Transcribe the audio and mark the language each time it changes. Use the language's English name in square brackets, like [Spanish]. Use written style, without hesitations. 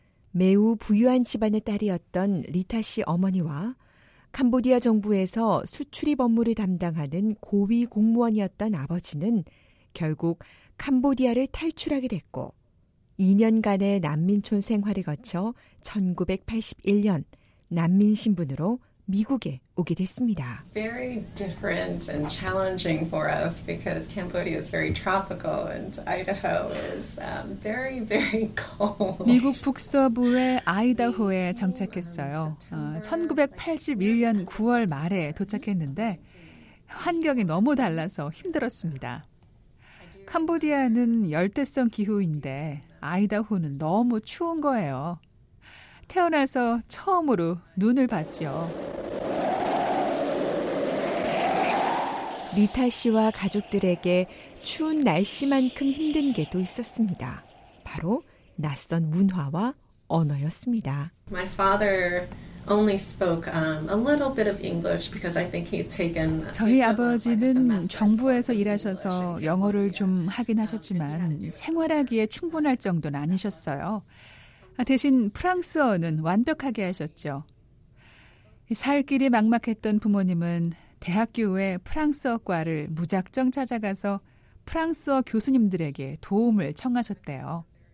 [Korean] 매우 부유한 집안의 딸이었던 리타 씨 어머니와 캄보디아 정부에서 수출입 업무를 담당하는 고위 공무원이었던 아버지는 결국 캄보디아를 탈출하게 됐고 2년간의 난민촌 생활을 거쳐 1981년 난민 신분으로 미국에 오게 됐습니다. [English] Very different and challenging for us because Cambodia is very tropical and Idaho is very very cold. [Korean] 미국 북서부의 아이다호에 정착했어요. 1981년 9월 말에 도착했는데 환경이 너무 달라서 힘들었습니다. 캄보디아는 열대성 기후인데 아이다호는 너무 추운 거예요. 태어나서 처음으로 눈을 봤죠. 리타 씨와 가족들에게 추운 날씨만큼 힘든 게 또 있었습니다. 바로 낯선 문화와 언어였습니다. [English] My father only spoke a little bit of English because I think he'd taken [Korean] 저희 아버지는 정부에서 일하셔서 영어를 좀 하긴 하셨지만 생활하기에 충분할 정도는 아니셨어요. 대신 프랑스어는 완벽하게 하셨죠. 살 길이 막막했던 부모님은 대학교에 프랑스어과를 무작정 찾아가서 프랑스어 교수님들에게 도움을 청하셨대요.